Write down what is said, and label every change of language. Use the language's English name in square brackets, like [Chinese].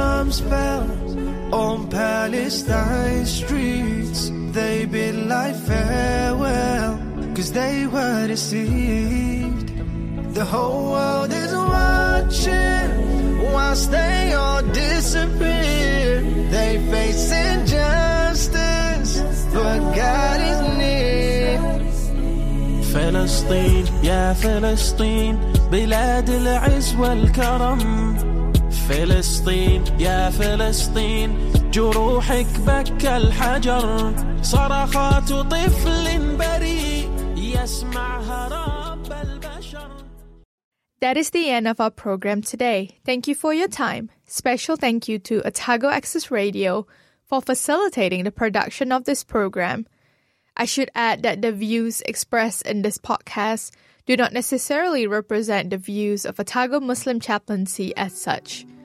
[English] Spells on Palestine streets, they bid life farewell, 'cause they were deceived. The whole world is watching whilst they all disappear. They face injustice, but God is near. [Arabic] Palestine, ya Palestine, بلاد العز والكرم. فلسطين يا فلسطين جروحك بك الحجر صرخات طفل بريء يسمعها رب البشر. [English] That is the end of our program today. Thank you for your time. Special thank you to Otago Access Radio for facilitating the production of this program. I should add that the views expressed in this podcast do not necessarily represent the views of Otago Muslim Chaplaincy as such.